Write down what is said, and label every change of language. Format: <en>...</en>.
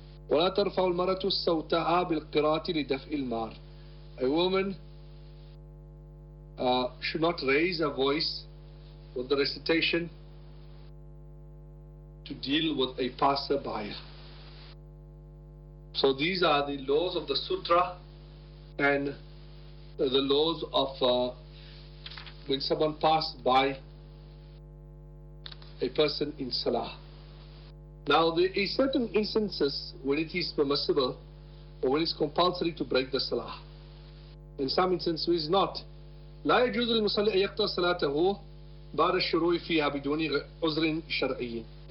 <ar>ولا ترفع المرأة صوتها بالقراءة لدفع المار.</ar> <en>A woman should not raise her voice with the recitation to deal with a passerby. So these are the laws of the sutra and the laws of when someone passed by a person in Salah. Now there is certain instances when it is permissible or when it's compulsory to break the Salah. In some instances it's not.</en> <ar>لا يجوز للمصلي أن يقطع صلاته بعد الشروع فيها بدون عذر شرعي.</ar>